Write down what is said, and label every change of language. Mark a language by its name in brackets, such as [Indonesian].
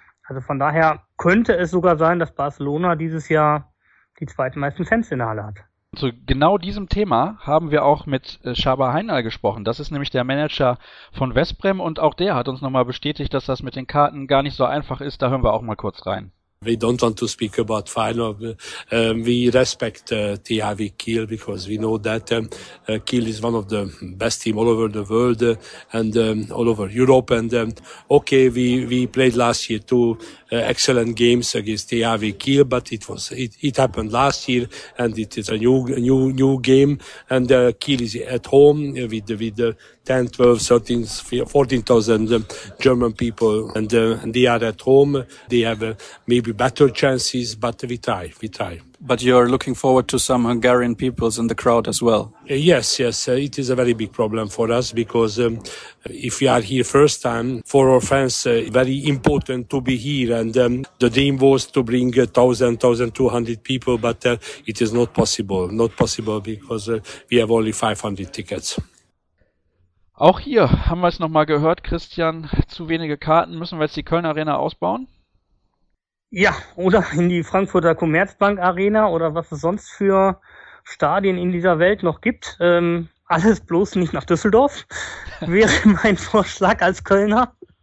[German] Also von daher könnte es sogar sein, dass Barcelona dieses Jahr die zweitmeisten Fans in der Halle hat. Zu genau diesem Thema haben wir auch mit Shaba Heinal gesprochen. Das ist nämlich der Manager von West Brom und auch der hat uns nochmal bestätigt, dass das mit den Karten gar nicht so einfach ist. Da hören wir auch mal kurz rein. [English] We don't want to speak about final. We respect THW Kiel because we know that Kiel is one of the best team all over the world and all over Europe. And okay, we played last year two excellent games against THW Kiel, but it happened last year and it is a new game. And Kiel is at home with 10, 12, 13, 14,000 German people, and they are at home. They have maybe better chances, but we try. But you're looking forward to some Hungarian peoples in the crowd as well. Yes, it is a very big problem for us because if we are here first time, for our fans, very important to be here. And the dream was to bring 1,200 people, but it is not possible. Not possible because we have only 500 tickets. [German] Auch hier haben wir es nochmal gehört, Christian, zu wenige Karten. Müssen wir jetzt die Köln Arena ausbauen? Ja, oder in die Frankfurter Commerzbank Arena oder was es sonst für Stadien in dieser Welt noch gibt. Alles bloß nicht nach Düsseldorf, wäre mein Vorschlag als Kölner.